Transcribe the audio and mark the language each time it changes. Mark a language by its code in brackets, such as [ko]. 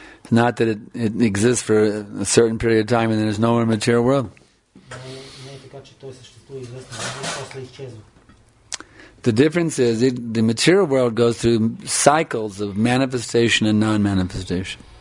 [en] Not that it exists for a certain period of time and there is no more material world. [bg] Не е така, че той съществува известно време и после изчезва. [en] The difference is the material world goes through cycles of manifestation and non-manifestation.